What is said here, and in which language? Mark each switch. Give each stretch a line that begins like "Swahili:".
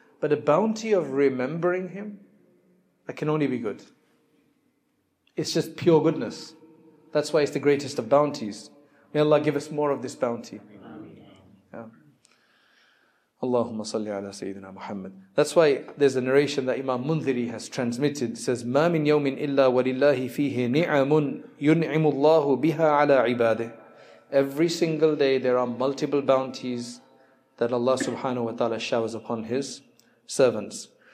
English: But the bounty of remembering Him, that can only be good. It's just pure goodness. That's why it's the greatest of bounties. May Allah give us more of this bounty.
Arabic: Allahumma salli ala Sayyidina Muhammad.
English: That's why there's a narration that Imam Mundhiri has transmitted. It says,
Arabic: مَا مِن يَوْمٍ إِلَّا وَلِلَّهِ فِيهِ نِعَمٌ يُنْعِمُ اللَّهُ بِهَا عَلَىٰ عِبَادِهِ.
English: Every single day there are multiple bounties that Allah subhanahu wa ta'ala showers upon His servants.